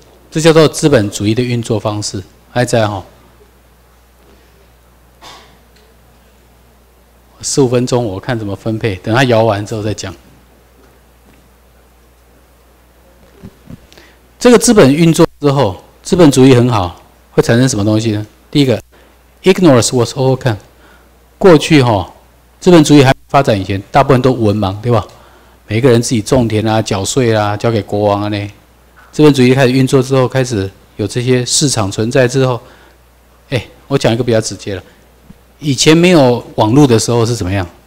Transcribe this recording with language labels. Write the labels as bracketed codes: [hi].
[zh] 这叫做资本主义的运作方式。还在哈，15分钟我看怎么分配，等他摇完之后再讲。这个资本运作之后，资本主义很好，会产生什么东西呢？第一个 [en] ，ignorance was overcome。 [zh] 过去哈，资本主义还发展以前，大部分都文盲，对吧？每个人自己种田啊、缴税啊、交给国王啊呢。资本主义开始运作之后，开始有这些市场存在之后，哎，我讲一个比较直接的，以前没有网络的时候是怎么样？